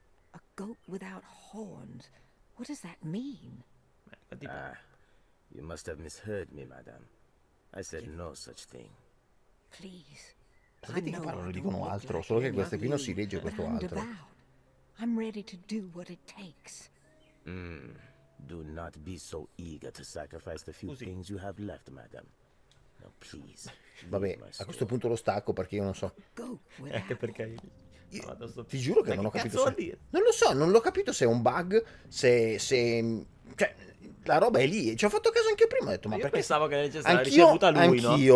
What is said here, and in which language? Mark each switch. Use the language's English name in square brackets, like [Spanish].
[English] A goat without horns. What does that mean? Ah, you must have misheard me, madam. I said no such thing. Please. [Italian] Sapete che parlano, dicono altro, solo che queste qui non si legge questo altro. [English] I'm ready to do what it takes. Do not be so eager to sacrifice the few things you have left, madam. No, please. [Italian] Vabbè, a questo punto lo stacco perché io non so. Anche perché ti giuro che non ho capito. Cazzo vuol dire? Non lo so, non l'ho capito se è un bug, se cioè la roba è lì, ci ho fatto caso anche prima, ho detto ma io perché pensavo che l'avesse ricevuta lui, anch'io,